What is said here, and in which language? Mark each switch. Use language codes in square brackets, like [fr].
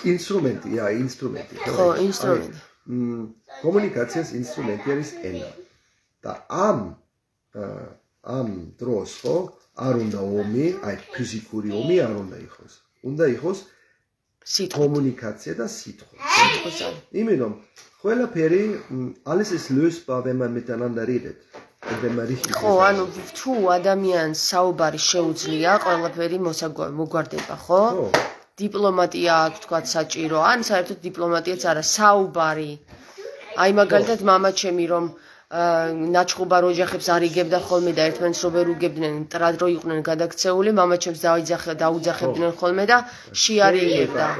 [ka] ინსტრუმენტი, აა, ინსტრუმენტი. ხო, ინსტრუმენტი. კომუნიკაციის ინსტრუმენტი არის ენა. და ამ ამ დროს ხო არ უნდა ომი, აი ფიზიკური ომი არ უნდა იყოს. უნდა იყოს სიტყვა, კომუნიკაცია და სიტყვა. სიტყვა. იმენომ, ყველაფერი [de] alles ist lösbar, wenn man miteinander redet. wenn man richtig. [ka] ხო, ანუ თუ ადამიანს საუბარი შეუძლია, ყველაფერი მოგვარდება, ხო? ხო. დიპლომატია აქვს თქვა საჭირო, ან საერთოდ დიპლომატიაც არა, საუბარი. აი მაგალითად мама ჩემი რომ ნაჩხუბარ ოჯახებს არიგებდა ხოლმე და ერთმანეთს რო ვერ უგებდნენ, ტრადრო იყვნენ გადაქცეული, мама ჩემს დაუძახებდნენ ხოლმე და შეარიგებდა.